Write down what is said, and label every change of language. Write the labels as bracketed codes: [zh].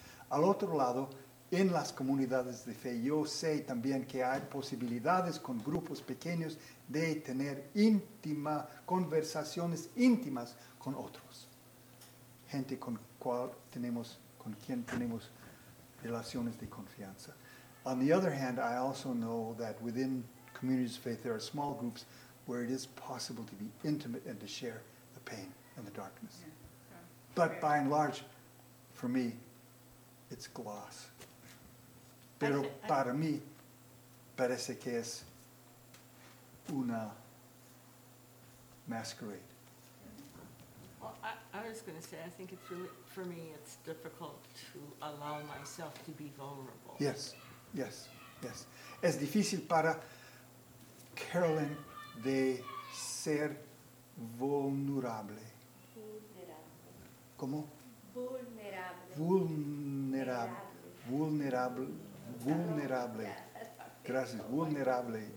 [es] Al otro lado, en las comunidades de fe, yo sé también que hay posibilidades con grupos pequeños de tener conversaciones íntimas con otros. Gente con cual tenemos, con quien tenemos relaciones de confianza. [en] On the other hand, I also know that within communities of faith, there are small groups where it is possible to be intimate and to share the pain and the darkness. Yeah. But by and large, for me, it's gloss. [es] Pero para mí, parece que es una masquerade. [en] Well, I was going to say, I think it's really, for me, it's difficult to allow myself to be vulnerable. Yes, yes, yes. [es] Es difícil para Carolyn de ser vulnerable. Vulnerable. ¿Cómo? Vulnerable. Vulnerable. Vulnerable. Vulnerable. Gracias. Vulnerable.